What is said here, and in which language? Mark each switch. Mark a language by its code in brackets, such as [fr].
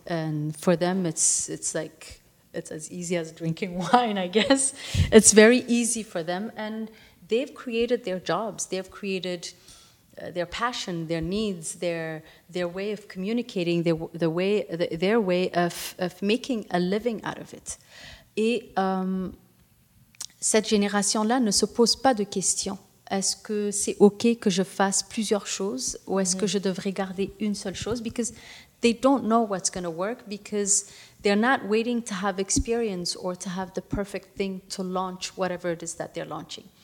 [en] And for them, it's as easy as drinking wine, I guess. It's very easy for them. And they've created their jobs. They've created... their passion, their needs, their way of communicating, their way of making a living out of it. [fr] Et cette génération-là ne se pose pas de questions. Est-ce que c'est OK que je fasse plusieurs choses ou est-ce que je devrais garder une seule chose? [en] Because they don't know what's going to work because they're not waiting to have experience or to have the perfect thing to launch whatever it is that they're launching.